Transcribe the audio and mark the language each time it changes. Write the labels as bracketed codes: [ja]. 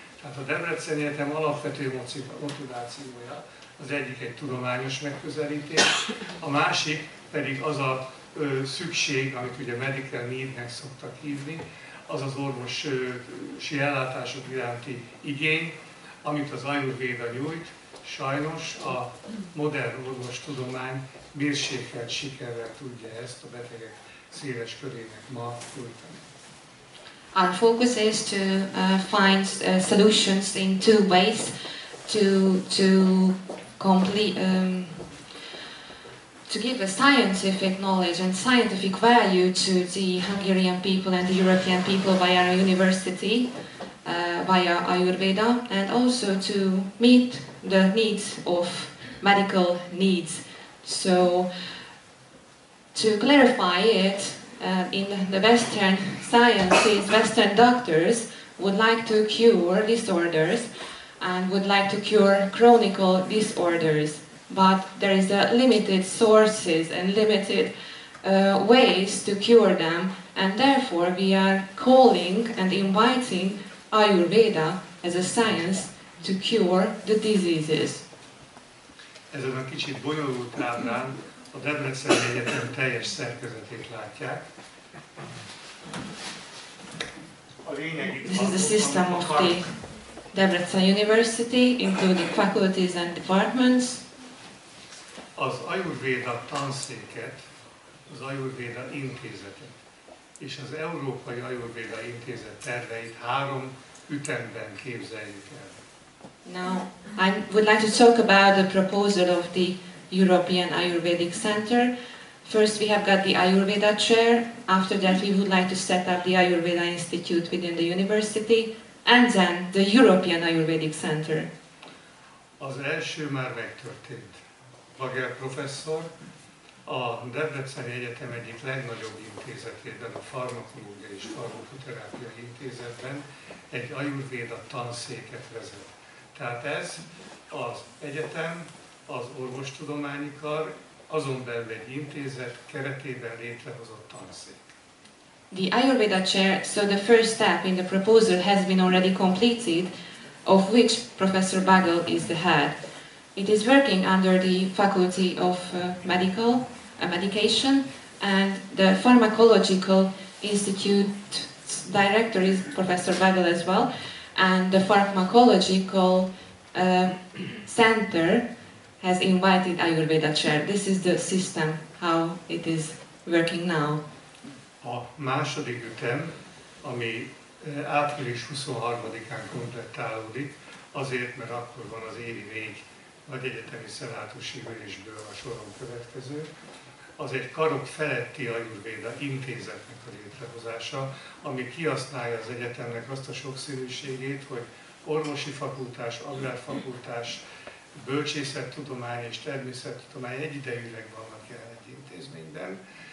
[hu] Tehát a Debreceni Egyetem alapvető motivációja az egyik egy tudományos megközelítés, a másik pedig az a szükség, amit ugye [en] medical need- [hu] nek szoktak hívni, az az orvosi ellátások iránti igény, amit az Ayurveda nyújt, sajnos a modern orvos tudomány mérsékelt sikerrel tudja ezt a betegek széles körének ma nyújtani. [en] Our focus is to find solutions in two ways to complete to give a scientific knowledge and scientific value to the Hungarian people and the European people via our university, via Ayurveda, and also to meet the needs of medical needs. So to clarify it, in the Western sciences, Western doctors would like to cure disorders and would like to cure chronic disorders. But there is a limited sources and limited ways to cure them, and therefore we are calling and inviting Ayurveda as a science to cure the diseases. [hu] Ezen a kicsit bonyolult ábrán a Debrecen Egyetem teljes szerkezetét látják. [en] This is the system of the Debrecen University, including faculties and departments. [hu] Az Ayurveda tanszéket, az Ayurveda intézetet és az Európai Ayurveda intézet terveit három ütemben képzeljük el. [en] Now, I would like to talk about the proposal of the European Ayurvedic Center. First, we have got the Ayurveda Chair. After that, we would like to set up the Ayurveda Institute within the university, and then the European Ayurvedic Center. [hu] Az első már megtörtént. Baghel professzor a Debreceni Egyetem egyik legnagyobb intézetében, a farmakológia és farmakoterápia intézetben egy Ayurveda tanszéket vezet. Tehát ez az egyetem, az orvostudományi kar, azon belül egy intézet keretében létrehozott tanszék. [en] The Ayurveda Chair, so the first step in the proposal has been already completed, of which Professor Baghel is the head. It is working under the Faculty of Medication, and the Pharmacological Institute's director is Professor Baghel as well, and the Pharmacological Center has invited Ayurveda Chair. This is the system, how it is working now. [hu] A második ütem, ami április 23-án kompletálódik, azért, mert akkor van az évi vég nagy egyetemi szenátusi ülésből a soron következő, az egy karok feletti Ayurveda intézetnek a létrehozása, ami kihasználja az egyetemnek azt a sokszínűségét, hogy orvosi fakultás, agrárfakultás, bölcsészettudomány és természettudomány egyidejűleg vannak jelen egy intézményben.